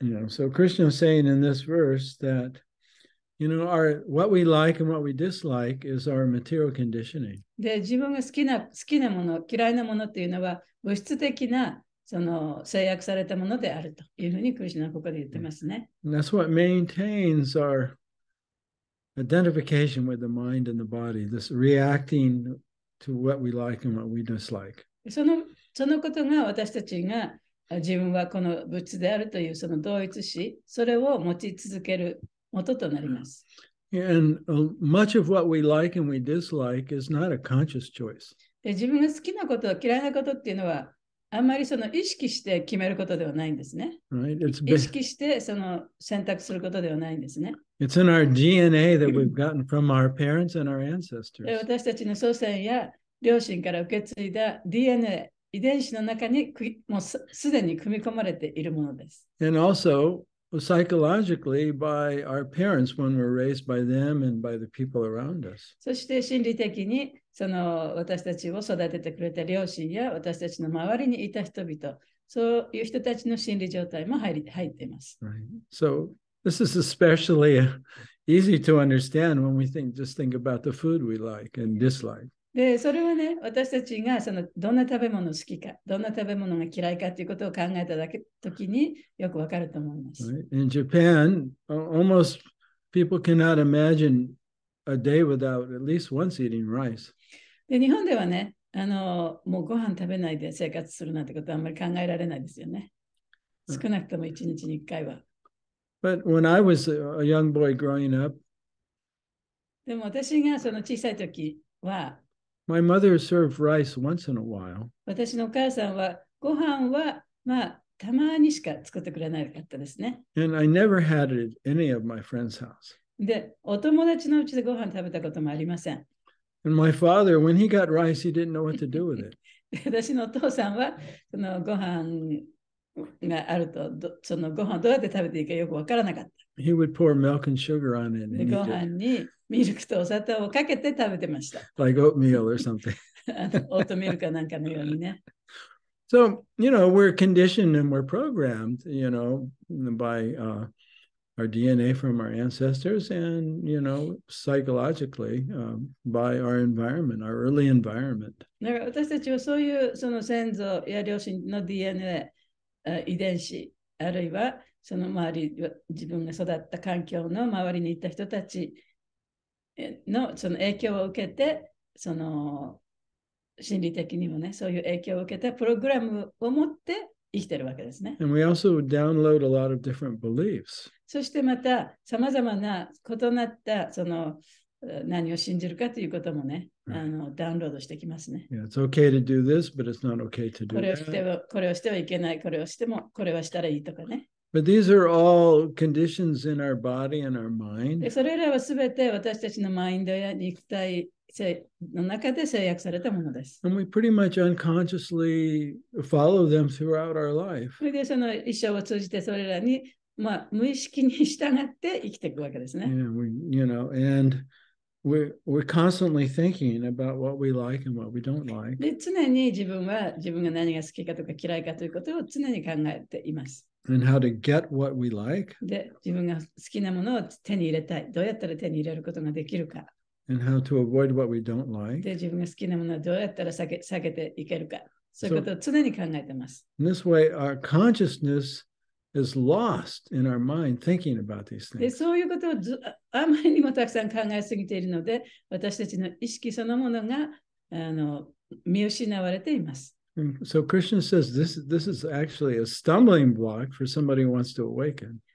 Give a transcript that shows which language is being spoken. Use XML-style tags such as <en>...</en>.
<en>You know, so Krishna is saying in this verse that you know, what we like and what we dislike is our material conditioning.</en> <ja>で、自分が好きなもの、嫌いなものっていうのは、物質的なその制約されたものであるというふうにクリシュナはここで言ってますね。</ja> <en>And that's what maintains our identification with the mind and the body, this reacting to what we like and what we dislike.</en> <ja>そのことが私たちが自分はこの物質であるというその同一視、それを持ち続ける。元となります。</ja> <en>And much of what we like and we dislike is not a conscious choice.</en> <ja>自分が好きなこと、嫌いなことっていうのは、あんまりその意識して決めることではないんですね。</ja> <en>Right?</en> <ja>意識してその選択することではないんですね。</ja> <en>It's in our DNA that we've gotten from our parents and our ancestors.</en> <ja>私たちの祖先や両親から受け継いだ DNA、遺伝子の中にもうすでに組み込まれているものです。</ja> <en>And also,psychologically by our parents when we're raised by them and by the people around us.</en> <ja>そして心理的にその私たちを育ててくれた両親や私たちの周りにいた人々、そういう人たちの心理状態も入っています。</ja> <en>Right. So this is especially easy to understand when we think about the food we like and dislike.</en> <ja>で、それはね、私たちがそのどんな食べ物を好きか、どんな食べ物が嫌いかということを考えただけ時によくわかると思います。</ja> <en>Right. In Japan, almost people cannot imagine a day without at least once eating rice.</en> <ja>で、日本ではね、あの、もうご飯食べないで生活するなんてことはあんまり考えられないですよね。少なくとも一日に一回は。</ja> <en>But when I was a young boy growing up,</en> <ja>でも私がその小さい時は、</ja> <en>my mother served rice once in a while.</en> <ja>私のお母さんはご飯はまあたまにしか作ってくれなかったですね。</ja> <en>And I never had it at any of my friends' house.</en> <ja>で、お友達のうちでご飯食べたこともありません。</ja> <en>And my father, when he got rice, he didn't know what to do with it.</en> <ja>私のお父さんはそのご飯があるとそのご飯どうやって食べていいかよくわからなかった。</ja> <en>He would pour milk and sugar on it.</en> <ja>ご飯にミルクとお砂糖をかけて食べてました。</ja> <en>Like oatmeal or something.</en> <ja>オートミルクなんかのようにね。</ja> <en>So, you know, we're conditioned and we're programmed, you know, by our DNA from our ancestors and, you know, psychologically by our environment, our early environment.</en> <ja>だから私たちはそういうその先祖や両親の DNA、遺伝子、あるいはその周り、自分が育った環境の周りにいた人たちのその影響を受けて、その心理的にもね、そういう影響を受けたプログラムを持って生きてるわけですね。</ja> <en>And we also download a lot of different beliefs.</en> <ja>そしてまた、さまざまな異なったその何を信じるかということもね、right. ダウンロードしてきますね。</ja> <en>Yeah, it's okay to do this, but it's not okay to do that.</en> <ja>これをしてはいけない、これをしても、これはしたらいいとかね。</ja> <en>But these are all conditions in our body and our mind.</en> <ja>それらはすべて私たちのマインドや肉体の中で制約されたものです。</ja> <en>And we pretty much unconsciously follow them throughout our life.</en> <ja>それでその一生を通じてそれらに、まあ、無意識に従って生きていくわけですね。</ja> <en>Yeah, we, you know, and we're constantly thinking about what we like and what we don't like.</en> <ja>で、常に自分は自分が何が好きかとか嫌いかということを常に考えています。</ja> <en>And how to get what we like.</en> <ja>で、自分が好きなものを手に入れたい。どうやったら手に入れることができるか。</ja> <en>And how to avoid what we don't like.</en> <ja>で、自分が好きなものをどうやったら避けていけるか。そういうことを常に考えてます。</ja> <en>In this way, our consciousness is lost in our mind thinking about these things.</en> <ja>で、そういうことをあまりにもたくさん考えすぎているので、私たちの意識そのものが見失われています。</ja> <en>So Krishna says this is actually a stumbling block for somebody who wants to awaken.</en>